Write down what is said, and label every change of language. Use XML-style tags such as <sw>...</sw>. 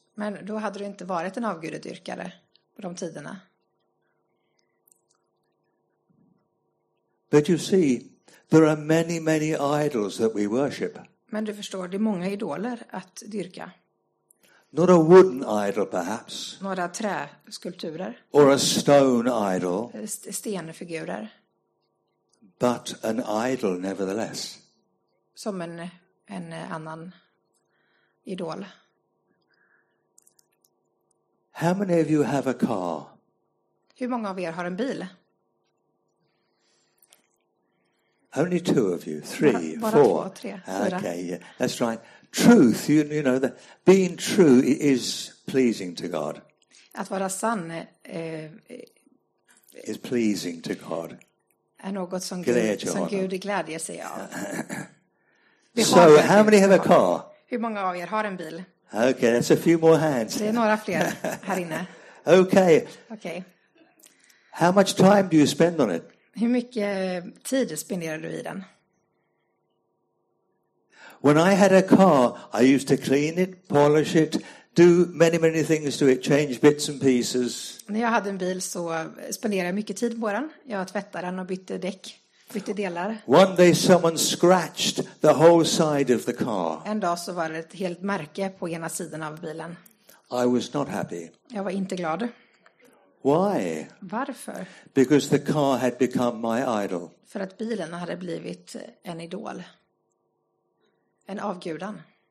<sv>Men då hade du inte varit en avgudadyrkare på de tiderna.</sv> <en>But you see, there are many, many idols that we worship.</en> <sv>Men du förstår, det är många idoler att dyrka.</sv> <en>Not a wooden idol, perhaps.</en> <sv>Några träskulpturer.</sv> <en>Or a stone idol.</en> <sv>Stenfigurer.</sv> <en>But an idol, nevertheless.</en> <sv>Som en annan idol.</sv> <en>How many of you have a car?</en> <sv>Hur många av er har en bil?</sv> <en>Only two of you, three, four.</en> <sv>Bara två, tre, fyra.</sv> <en>Okay, yeah, that's right. Truth, you know, that being true is pleasing to God.</en> <sv>Att vara sann</sv> <en>is pleasing to God.</en> <sv>Är något som Gud glädjer sig av.</sv> <en>So, how many have a car?</en> <sv>Hur många av er har en bil?</sv> <en>Okay, that's a few more hands.</en> <sv>Det är några fler här inne.</sv> <en>Okay. Okay. How much time do you spend on it?</en> <sv>Hur mycket tid spenderar du i den?</sv> <en>When I had a car, I used to clean it, polish it, do many, many things to it, change bits and pieces.</en> <sv>När jag hade en bil så spenderade jag mycket tid på den. Jag tvättade den och bytte däck, bytte delar.</sv> <en>One day someone scratched the whole side of the car.</en> <sv>En dag så var det ett helt märke på ena sidan av bilen.</sv> <en>I was not happy.</en> <sv>Jag var inte glad.</sv> <en>Why?</en> <sv>Varför?</sv> <en>Because the car had become my idol.</en> <sv>För att bilen hade blivit en idol. En avgudan.</sv>